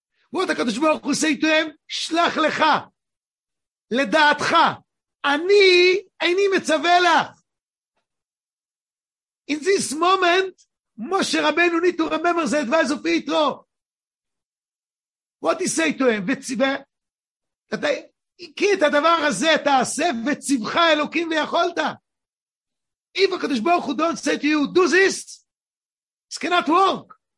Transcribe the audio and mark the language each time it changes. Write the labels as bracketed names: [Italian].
[English] What HaKadosh Baruch Hu say to him? [Hebrew] Shlach lecha. Ledaatcha. Ani, eini metzave lach. [English] In this moment, Moshe Rabbeinu need to remember the advice of Yitro. What he say to him? That I... [Hebrew] כי את הדבר הזה תעשה וציבך אלוקים ויכולת. [English] If HaKadosh Baruch Hu don't say to you, do this, this cannot work.